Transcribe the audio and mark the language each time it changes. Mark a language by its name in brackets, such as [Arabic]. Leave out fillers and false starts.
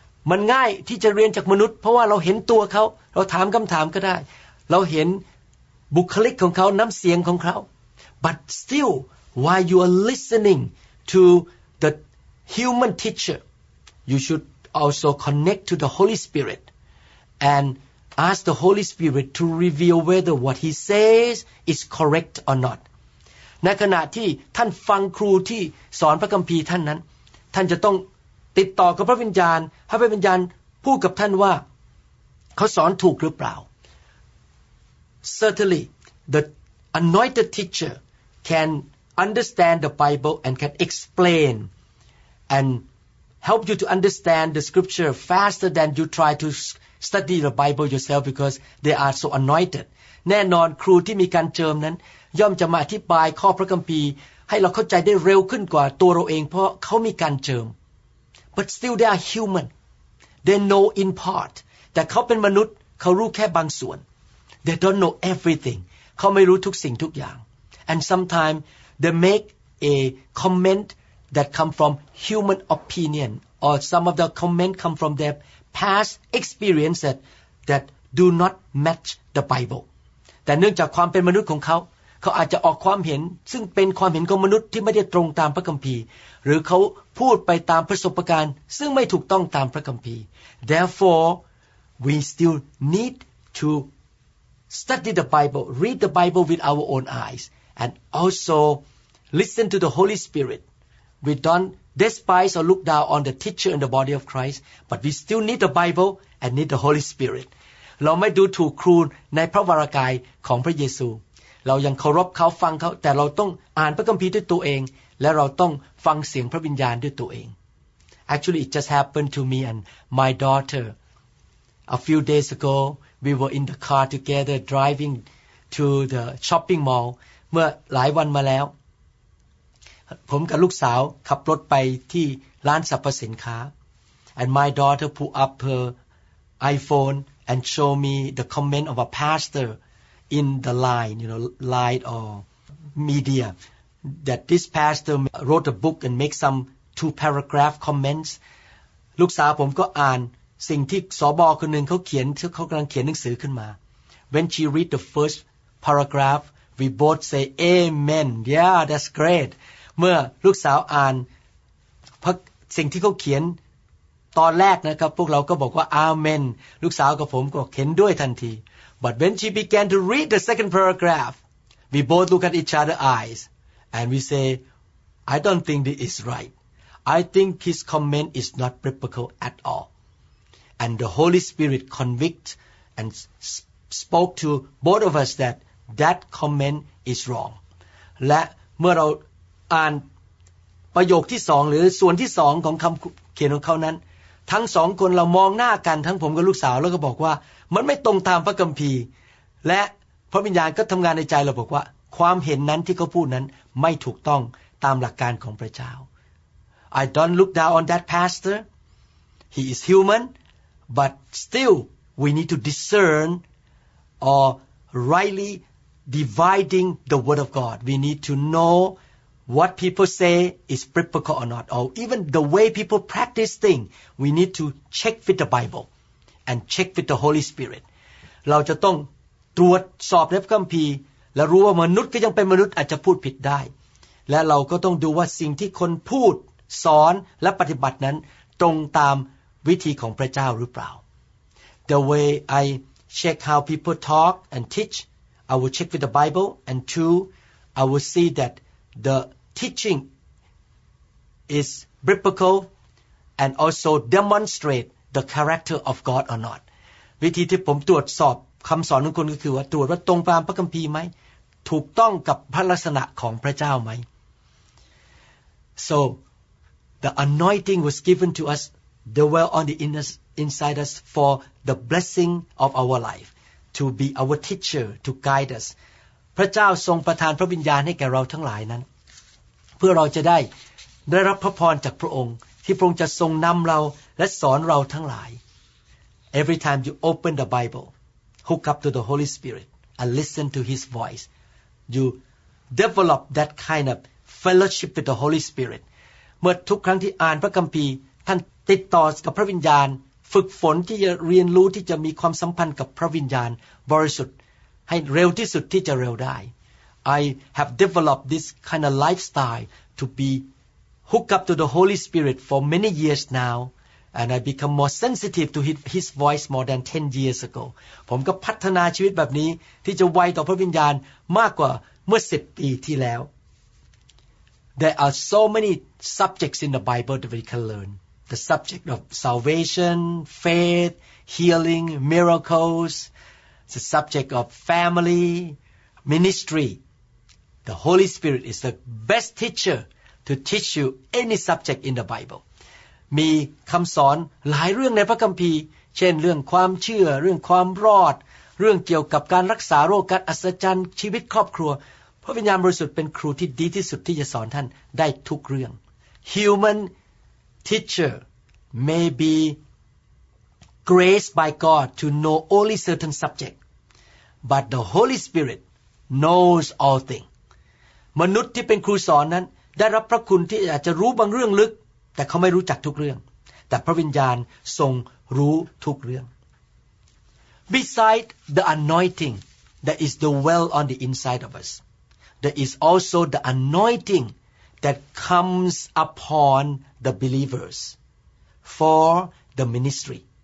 [Thai] มันง่ายที่จะเรียนจากมนุษย์เพราะว่าเราเห็นตัวเขาเราถามคำถามก็ได้เราเห็นบุคลิกของเขาน้ำเสียงของเขา [English] but still while you are listening to the human teacher you should also connect to the Holy Spirit and ask the Holy Spirit to reveal whether what he says is correct or not [Thai] ในขณะที่ท่านฟังครูที่สอนพระคัมภีร์ท่านนั้นท่านจะต้องติดต่อกับพระวิญญาณให้พระวิญญาณพูดกับท่านว่าเขาสอนถูกหรือเปล่า [English] Certainly the anointed teacher can understand the Bible and can explain and help you to understand the scripture faster than you try to study the Bible yourself because they are so anointed [Thai] แน่นอนครูที่มีการเจิมนั้นย่อมจะมาอธิบายข้อพระคัมภีร์ให้เราเข้าใจได้เร็วขึ้นกว่าตัวเราเองเพราะเขามีการเจิม [English] But still they are human. They know in part. [Thai] แต่เขาเป็นมนุษย์เขารู้แค่บางส่วน [English] They don't know everything. [Thai] เขาไม่รู้ทุกสิ่งทุกอย่าง [English] And sometimes they make a comment that come from human opinion or some of the comment come from their past experiences that do not match the Bible. [Thai] แต่เนื่องจากความเป็นมนุษย์ของเขาเขาอาจจะออกความเห็นซึ่งเป็นความเห็นของมนุษย์ที่ไม่ได้ตรงตามพระคัมภีร์หรือเขาพูดไปตามประสบการณ์ซึ่งไม่ถูกต้องตามพระคัมภีร์ [English] Therefore we still need to study the Bible read the Bible with our own eyes and also listen to the Holy Spirit we don't despise or look down on the teacher in the body of Christ but we still need the Bible and need the Holy Spirit [Thai] เราไม่ดูถูกครูในพระวรกายของพระเยซูเรายังเคารพเขาฟังเขาแต่เราต้องอ่านพระคัมภีร์ด้วยตัวเองและเราต้องฟังเสียงพระวิญญาณด้วยตัวเอง [English] Actually it just happened to me and my daughter a few days ago we were in the car together driving to the shopping mall [Thai] เมื่อหลายวันมาแล้วผมกับลูกสาวขับรถไปที่ร้านสรรพสินค้า [English] and my daughter pulled up her iPhone and showed me the comment of a pastorin the line you know light or media that this pastor wrote a book and make some two paragraph comments [Thai] ลูกสาวผมก็อ่านสิ่งที่สบคนนึงเขาเขียนที่เขากำลังเขียนหนังสือขึ้นมา [English] when she read the first paragraph we both say amen yeah that's great [Thai] เมื่อลูกสาวอ่านสิ่งที่เขาเขียนตอนแรกนะครับพวกเราก็บอกว่า amen ลูกสาวกับผมก็เขียนด้วยทันที [English] But when she began to read the second paragraph, we both look at each other's eyes, and we say, I don't think this is right. I think his comment is not biblical at all. And the Holy Spirit convict and spoke to both of us that that comment is wrong. [Thai] และเมื่อเราอ่านประโยคที่สองหรือส่วนที่สองของคำเขียนของเขานั้นทั้งสองคนเรามองหน้ากันทั้งผมกับลูกสาวแล้วก็บอกว่ามันไม่ตรงตามพระคัมภีร์และพระวิญญาณก็ทำงานในใจเราบอกว่าความเห็นนั้นที่เขาพูดนั้นไม่ถูกต้องตามหลักการของพระเจ้า [English] I don't look down on that pastor. He is human, but still we need to discern or rightly dividing the word of God. We need to know what people say is biblical or not, or even the way people practice thing. We need to check with the Bible and check with the Holy Spirit. [Thai] เราจะต้องตรวจสอบในพระคัมภีร์และรู้ว่ามนุษย์ก็ยังเป็นมนุษย์อาจจะพูดผิดได้และเราก็ต้องดูว่าสิ่งที่คนพูดสอนและปฏิบัตินั้นตรงตามวิธีของพระเจ้าหรือเปล่า [English] The way I check how people talk and teach, I will check with the Bible, and two, I will see that the teaching is biblical and also demonstrate the character of God or not. [Thai] วิธีที่ผมตรวจสอบคำสอนของคนก็คือว่าตรวจว่าตรงตามพระคัมภีร์ไหมถูกต้องกับพระลักษณะของพระเจ้าไหม [English] So the anointing was given to us the well on the inside us for the blessing of our life to be our teacher to guide us [Thai] พระเจ้าทรงประทานพระวิญญาณให้แก่เราทั้งหลายนั้นเพื่อเราจะได้รับพระพรจากพระองค์ที่พระองค์จะทรงนำเราและสอนเราทั้งหลาย [English] Every time you open the BibleHook up to the Holy Spirit and listen to His voice. You develop that kind of fellowship with the Holy Spirit. [Thai] เมื่อทุกครั้งที่อ่านพระคัมภีร์ท่านติดต่อกับพระวิญญาณฝึกฝนที่จะเรียนรู้ที่จะมีความสัมพันธ์กับพระวิญญาณบริสุทธิ์ให้เร็วที่สุดที่จะเร็วได้ [English] I have developed this kind of lifestyle to be hook up to the Holy Spirit for many years now. And I become more sensitive to his voice more than 10 years ago. [Thai] ผมก็พัฒนาชีวิตแบบนี้ที่จะไวต่อพระวิญญาณมากกว่าเมื่อ10ปีที่แล้ว [English] There are so many subjects in the Bible that we can learn. The subject of salvation, faith, healing, miracles, the subject of family, ministry. The Holy Spirit is the best teacher to teach you any subject in the Bible. [Thai] มีคำสอนหลายเรื่องในพระคัมภีร์เช่นเรื่องความเชื่อเรื่องความรอดเรื่องเกี่ยวกับการรักษาโรคการอัศจรรย์ชีวิตครอบครัวพระวิญญาณบริสุทธิ์เป็นครูที่ดีที่สุดที่จะสอนท่านได้ทุกเรื่อง [English] Human teacher may be graced by God to know only certain subject but the Holy Spirit knows all things [Thai] มนุษย์ที่เป็นครูสอนนั้นได้รับพระคุณที่อาจจะรู้บางเรื่องลึกแต่เขาไม่รู้จักทุกเรื่องแต่พระวิญญาณทรงรู้ทุกเรื่อง [English] Beside the anointing that is the well on the inside of us there is also the anointing that comes upon the believers for the ministry